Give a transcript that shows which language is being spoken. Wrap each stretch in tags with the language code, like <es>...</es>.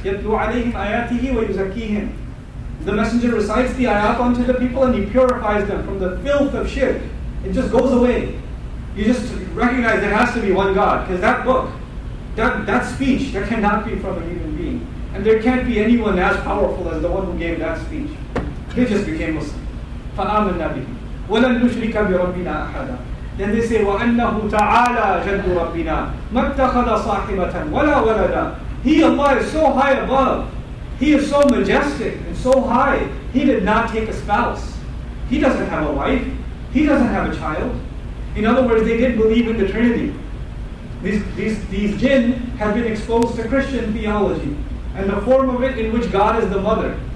<ar>يَتْلُوا عَلَيْهِمْ آيَاتِهِ وَيُزَكِّيهِمْ</ar> <en>The messenger recites the ayat unto the people and he purifies them from the filth of shirk. It just goes away. You just recognize there has to be one God. Because that book, that speech, that cannot be from a human being. And there can't be anyone as powerful as the one who gave that speech. They just became Muslim.</en> <ar>فَآمَنَّا بِهِ وَلَن نُشْرِكَ بِرَبِّنَا أَحَدًا</ar> <en>Then they say,</en> <ar>وَأَنَّهُ تَعَالَى جَدُّ رَبِّنَا مَتَّخَذَ صَاحِبَةً وَلَا وَلَدَى.</ar> <en>He, Allah, is so high above. He is so majestic and so high. He did not take a spouse. He doesn't have a wife. He doesn't have a child. In other words, they didn't believe in the Trinity. These jinn have been exposed to Christian theology and the form of it in which God is the mother.</en>